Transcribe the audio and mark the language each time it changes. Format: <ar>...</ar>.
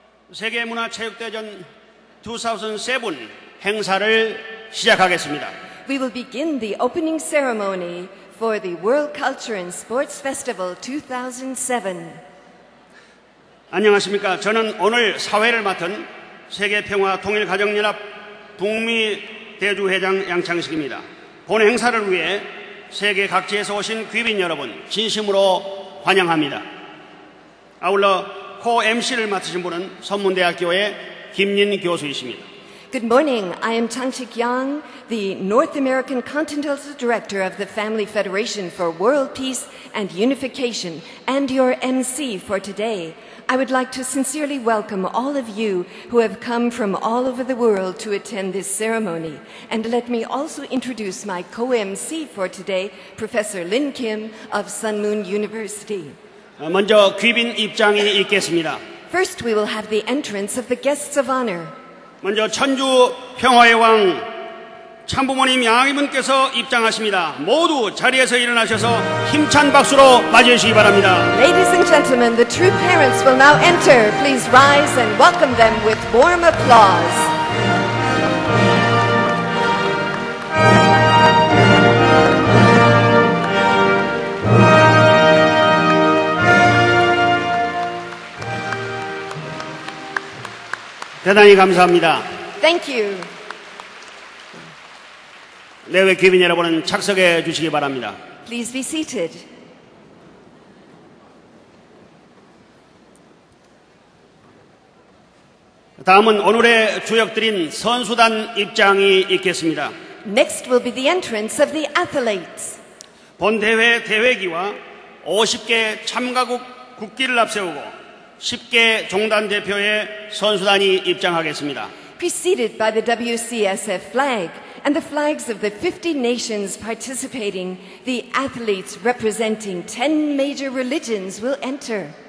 <ko>세계문화체육대전 2007 행사를 시작하겠습니다.</ko> <en>We will begin the opening ceremony for the World Culture and Sports Festival 2007.</en> <ko>안녕하십니까. 저는 오늘 사회를 맡은 세계평화통일가정연합 북미대주회장 양창식입니다. 본 행사를 위해 세계 각지에서 오신 귀빈 여러분 진심으로 환영합니다. 아울러 코 MC를 맡으신 분은 선문대학교의 김린 교수이십니다.</ko> <en>Good morning. I am Changsik Yang, the North American Continental Director of the Family Federation for World Peace and Unification, and your MC for today. I would like to sincerely welcome all of you who have come from all over the world to attend this ceremony. And let me also introduce my co-MC for today, Professor Lin Kim of Sun Moon University.</en> <ko>먼저 귀빈 입장이 있겠습니다.</ko> <en>First, we will have the entrance of the guests of honor.</en> <ko>먼저 천주 평화의 왕 참부모님 양희분께서 입장하십니다. 모두 자리에서 일어나셔서 힘찬 박수로 맞이해주시기 바랍니다.</ko> <en>Ladies and gentlemen, the true parents will now enter. Please rise and welcome them with warm applause.</en> <ko>대단히 감사합니다.</ko> <en>Thank you.</en> <ko>내외 귀빈 여러분은 착석해 주시기 바랍니다.</ko> <en>Please be seated.</en> <ko>다음은 오늘의 주역들인 선수단 입장이 있겠습니다.</ko> <en>Next will be the entrance of the athletes.</en> <ko>본 대회 대회기와 50개 참가국 국기를 앞세우고 10개 종단 대표의 선수단이 입장하겠습니다.</ko> <en>Preceded by the WCSF flag and the flags of the 50 nations participating, the athletes representing 10 major religions will enter.</en>